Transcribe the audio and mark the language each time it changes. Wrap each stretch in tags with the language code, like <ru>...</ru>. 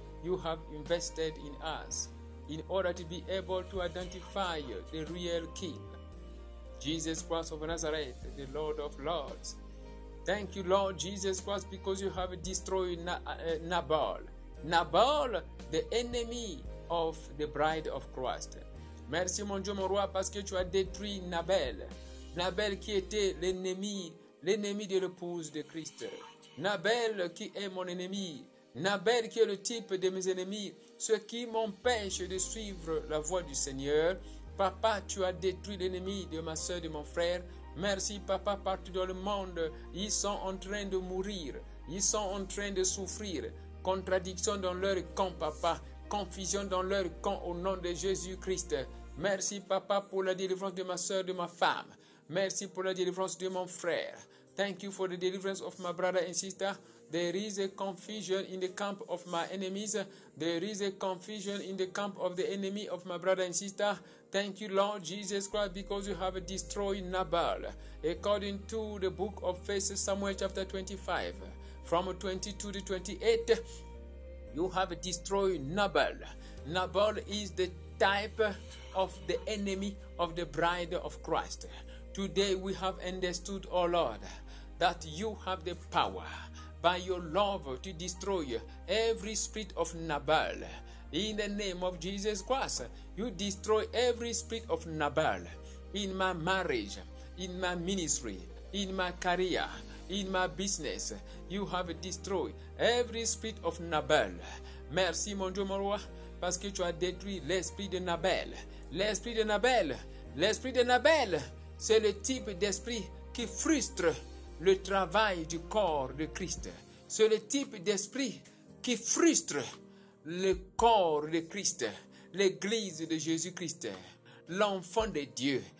<en>You have invested in us in order to be able to identify the real King. Jesus Christ of Nazareth, the Lord of Lords. Thank you Lord Jesus Christ because you have destroyed Nabal. Nabal, the enemy of the bride of Christ.</en> <fr>Merci mon Dieu, mon roi, parce que tu as détruit Nabal. Nabal qui était l'ennemi de l'épouse de Christ. Nabal qui est mon ennemi. Nabal qui est le type de mes ennemis. Ce qui m'empêche de suivre la voie du Seigneur. Papa, tu as détruit l'ennemi de ma soeur, de mon frère. Merci papa, partout dans le monde, ils sont en train de mourir. Ils sont en train de souffrir. Contradiction dans leur camp, papa. Confusion dans leur camp au nom de Jésus-Christ. Merci, papa, pour la délivrance de ma soeur, de ma femme. Merci pour la délivrance de mon frère.</fr> <en>Thank you for the deliverance of my brother and sister. There is a confusion in the camp of my enemies. There is a confusion in the camp of the enemy of my brother and sister. Thank you, Lord Jesus Christ, because you have destroyed Nabal. According to the book of 1 Samuel chapter 25. From 22 to 28, you have destroyed Nabal. Nabal is the type of the enemy of the bride of Christ. Today we have understood, O Lord, that you have the power by your love to destroy every spirit of Nabal. In the name of Jesus Christ, you destroy every spirit of Nabal in my marriage, in my ministry, in my career. In my business, you have destroyed every spirit of Nabal.</en> <fr>Merci, mon Dieu, mon roi, parce que tu as détruit l'esprit de Nabal. L'esprit de Nabal, l'esprit de Nabal, c'est le type d'esprit qui frustre le travail du corps de Christ. C'est le type d'esprit qui frustre le corps de Christ, l'église de Jésus-Christ, l'enfant de Dieu.</fr>